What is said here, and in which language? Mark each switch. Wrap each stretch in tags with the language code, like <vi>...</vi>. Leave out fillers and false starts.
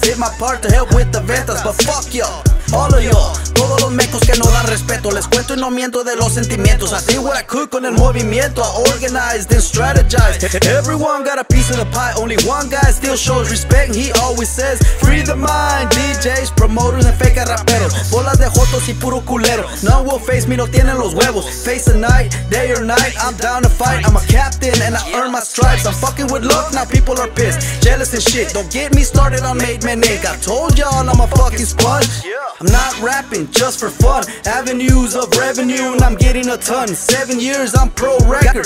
<en>Did my part to help with the ventas, but fuck y'all. All of y'all,</en> <es>todos los mecos que no dan respeto. Les cuento y no miento de los sentimientos.</es> <en>I did what I could</en> <es>con el movimiento.</es> <en>I organized and strategized. Everyone got a piece of the pie. Only one guy still shows respect. He always says, free the mind. DJs, promoters and fake raperos.</en> <es>Bolas de jotos y puro culero.</es> <en>None will face me,</en> <es>no tienen los huevos.</es> <en>Face the night, day or night, I'm down to fight. I'm a captain and I earn my stripes. I'm fucking with luck, now people are pissed. Jealous and shit, don't get me started on Made Men Inc. I told y'all I'm a fucking sponge. I'm not rapping just for fun. Avenues of revenue and I'm getting a ton. 7 years, I'm pro record.</en>